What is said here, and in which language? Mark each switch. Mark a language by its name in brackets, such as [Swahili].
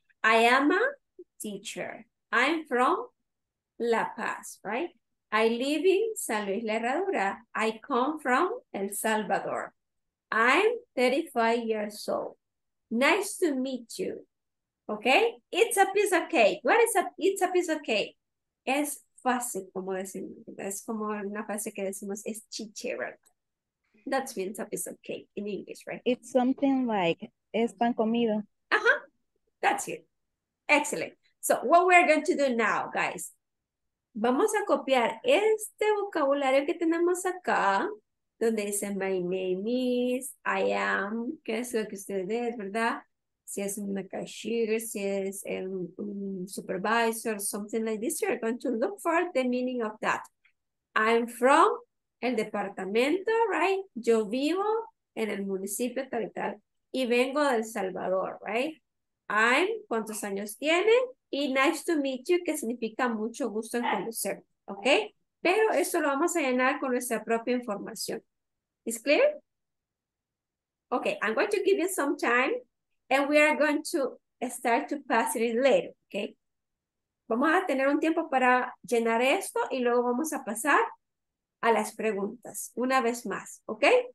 [English] I am a teacher. I'm from La Paz, right? I live in San Luis La Herradura. I come from El Salvador. I'm 35 years old. Nice to meet you. Okay, it's a piece of cake. What is a, it's a piece of cake? [Spanish] Es fácil, como decimos. Es como una frase que decimos, es chichero. [English] That means a piece of cake in English, right? It's something like, [Spanish] es pan comido. [English] Uh-huh, that's it. Excellent. So what we're going to do now, guys. [Spanish] Vamos a copiar este vocabulario que tenemos acá, donde dice, [English] my name is, [Spanish] I am, que es lo que usted es, ¿verdad? Si es un cashier, si es un supervisor, [English] something like this, you're going to look for the meaning of that. I'm from el departamento, right? [Spanish] Yo vivo en el municipio tal y tal. Y vengo de El Salvador, right? I'm, ¿cuántos años tiene? Y [English] nice to meet you, [Spanish] que significa mucho gusto en conocer, ¿ok? Pero eso lo vamos a llenar con nuestra propia información. [English] Is clear? Okay, I'm going to give you some time. And we are going to start to pass it later, okay? [Spanish] Vamos a tener un tiempo para llenar esto y luego vamos a pasar a las preguntas una vez más, okay?